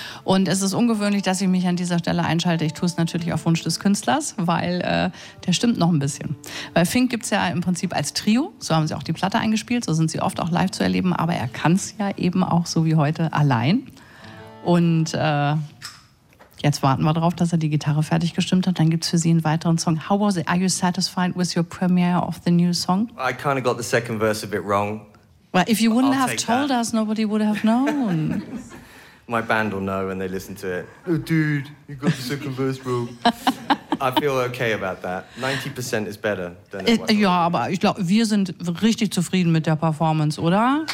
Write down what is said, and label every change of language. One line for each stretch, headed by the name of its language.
German: Und es ist ungewöhnlich, dass ich mich an dieser Stelle einschalte. Ich tue es natürlich auf Wunsch des Künstlers, weil der stimmt noch ein bisschen. Weil Fink gibt es ja im Prinzip als Trio. So haben sie auch die Platte eingespielt. So sind sie oft auch live zu erleben. Aber er kann es ja eben auch so wie heute allein. Und jetzt warten wir darauf, dass er die Gitarre fertig gestimmt hat. Dann gibt es für Sie einen weiteren Song.
English: How was it? Are you satisfied with your premiere of the new song? I kind of got the second verse a bit wrong. Well, if you wouldn't have told us, nobody would have known. My band will know when they listen to it. Oh, dude, you got the second verse wrong. I feel okay about that. 90% is better than it was.
German: Ja, aber ich glaube, wir sind richtig zufrieden mit der Performance, oder?